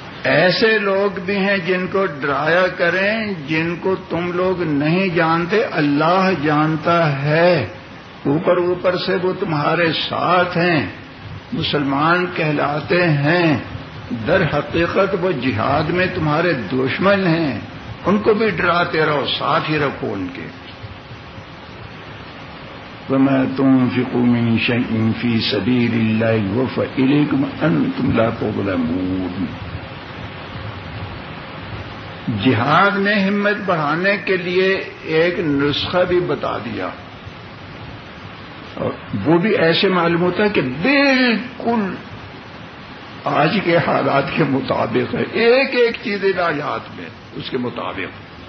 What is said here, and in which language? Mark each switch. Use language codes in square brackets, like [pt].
[ur] ایسے لوگ بھی ہیں جن کو ڈرایا کریں، جن کو تم لوگ نہیں جانتے، اللہ جانتا ہے. اوپر اوپر سے وہ تمہارے ساتھ ہیں، مسلمان کہلاتے ہیں، در حقیقت وہ جہاد میں تمہارے دشمن ہیں. ان کو بھی ڈراتے رہو، ساتھ ہی رکھو ان کے. [ar] وما تنفقوا من شيء في سبيل الله يوفى إليكم أنتم لا تظلمون. [ur] جہاد نے ہمت بڑھانے کے لیے ایک نسخہ بھی بتا دیا، اور وہ بھی ایسے معلوم ہوتا ہے کہ بالکل آج کے حالات کے مطابق ہے، ایک ایک چیز آیات میں اس کے مطابق.